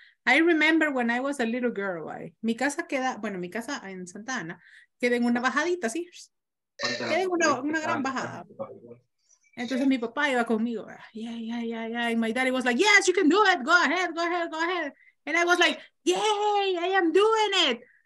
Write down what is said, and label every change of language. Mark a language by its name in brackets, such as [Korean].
[English] I remember when I was a little girl. [Spanish] Mi casa en Santa Ana queda en una bajadita, sí. Queda en una gran bajada. Entonces mi papá iba conmigo. Yeah. [English] And my daddy was like, yes, you can do it. Go ahead. And I was like, yay, I am doing it.